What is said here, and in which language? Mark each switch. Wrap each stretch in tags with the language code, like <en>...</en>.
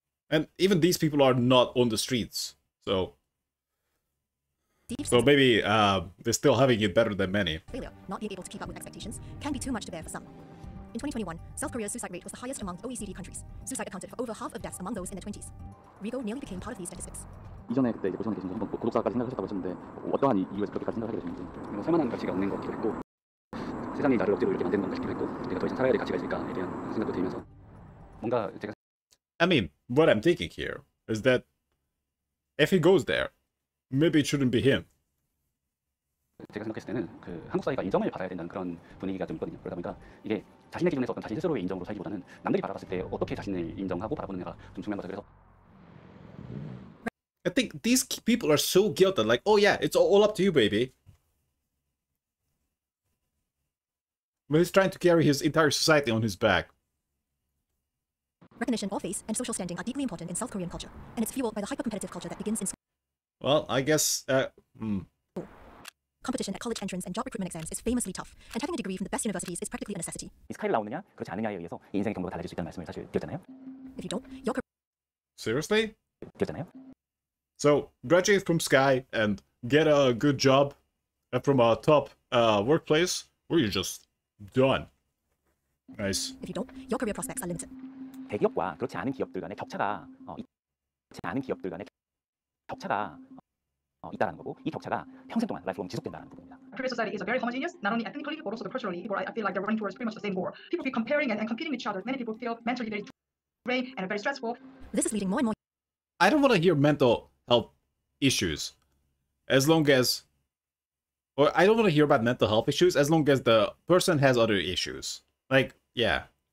<en>And even these people are not on the streets, so... So maybe they're still having it better than many. Failure, not being able to keep up with expectations, can be too much to bear for some. In 2021, South Korea's suicide rate was the highest among OECD countries. Suicide accounted for over half of deaths among those in their 20s. Rigo nearly became part of these statistics.</en> <ko>이전에 그때 이제 고선에 계신 분 한번 고독사까지 생각하셨다고 하셨는데 어떠한 이유에서 그렇게 생각하게 되셨는지 뭐 살만한 가치가 없는 것 같기도 했고 세상이 나를 억지로 이렇게 만드는 것 같기도 했고 내가 더 이상 살아야 될 가치가 있을까에 대한 생각도 들면서 뭔가 제가</ko> <en>I mean, what I'm thinking here is that if he goes there, maybe it shouldn't be him.</en> <ko>제가 생각했을 때는 그 한국 사회가 인정을 받아야 된다는 그런 분위기가 좀 있거든요. 그러다 보니까 이게 자신의 기준에서 어떤 자신 스스로의 인정으로 살기보다는 남들이 바라봤을 때 어떻게 자신을 인정하고 바라보는가가 좀 중요한 거죠. 그래서</ko> <en>I think these people are so guilty, like, oh yeah, it's all up to you, baby. But he's trying to carry his entire society on his back. Recognition of face and social standing are deeply important in South Korean culture, and it's fueled by the hyper-competitive culture that begins in school. Well, I guess, Competition at college entrance and job recruitment exams is famously tough, and having a degree from the best universities is practically a necessity. If you don't, your career... Seriously? So, graduate from Sky and get a good job from a top workplace, or you're just done. Nice. If you don't, your career prospects are limited.</en> <ko>대기업과 그렇지 않은 기업들 간의 격차가 그렇지 않은 기업들 간의 격차가 있다라는 거고 이 격차가 평생 동안 라이프 지속된다는 겁니다.</ko> <en>Korean society is very homogeneous, not only ethnically but also culturally. People, I feel like they're running towards pretty much the same goal. People be comparing and competing with each other. Many people feel mentally very drained and very stressful. This is leading more and more. I don't want to hear mental health issues, as long as, or I don't want to hear about mental health issues as long as the person has other issues. Like, yeah.</en>